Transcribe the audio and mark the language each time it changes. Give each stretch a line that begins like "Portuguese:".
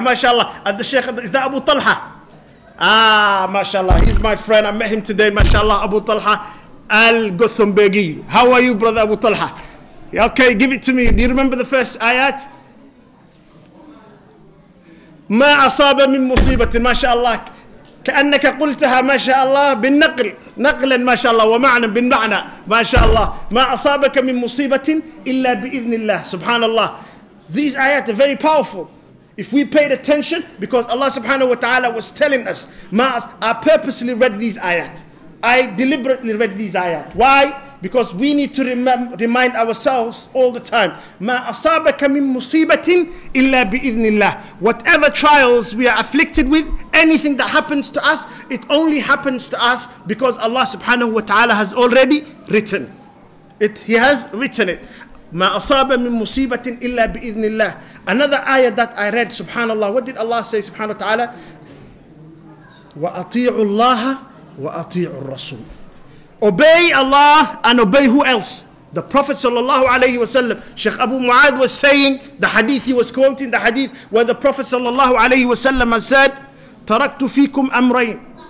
English: MashaAllah, at the Sheikh, is that Abu Talha? Ah, MashaAllah, he's my friend. I met him today, MashaAllah, Abu Talha Al-Guthumbegi. How are you, brother Abu Talha? Okay, give it to me. Do you remember the first ayat?
Arabic: Ma asaba min musibatin, MashaAllah. كأنك قلتها ما شاء الله بالنقل نقلا ما شاء الله ومعنى بالمعنى ما شاء الله ما أصابك من مصيبة إلا بإذن الله سبحان الله.
English: These ayat are very powerful if we paid attention, because Allah subhanahu wa ta'ala was telling us. I purposely read these ayat. I deliberately read these ayat. Why? Because we need to remind ourselves all the time.
Arabic: ما أصابك من مصيبة إلا بإذن الله.
English: Whatever trials we are afflicted with, anything that happens to us, it only happens to us because Allah subhanahu wa ta'ala has already written it. He has written it.
Arabic: ما أصاب من مصيبة إلا بإذن الله.
English: Another ayah that I read, subhanallah, what did Allah say, subhanahu wa ta'ala?
Arabic: وَأَطِيعُ اللَّهَ وَأَطِيعُ الرَّسُولِ.
English: Obey Allah and obey who else? The Prophet sallallahu alayhi wa sallam. Sheikh Abu Mu'adh was saying, the hadith he was quoting, the hadith where the Prophet sallallahu alayhi wa sallam has said,
Arabic: تَرَكْتُ فِيكُمْ أَمْرَيْنِ.